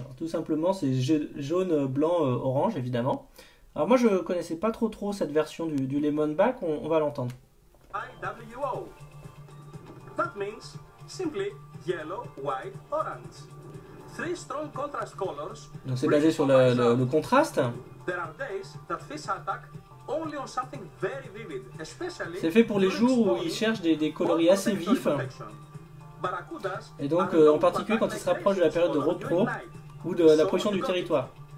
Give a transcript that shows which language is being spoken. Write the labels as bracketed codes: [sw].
[fr] Alors, tout simplement, c'est jaune, blanc, orange, évidemment. Alors, moi, je connaissais pas trop cette version du lemon back, on va l'entendre. [en] YWO. That means simply yellow, white, orange. Three strong contrast colors. [fr] Donc c'est basé sur le contraste. [en] There are days that fish attack only on something very vivid, especially. [fr] C'est fait pour les jours où ils cherchent des coloris assez vifs. [en] Barracudas. [fr] Et donc en particulier quand ils se rapprochent de la période de repro ou de la pression du territoire.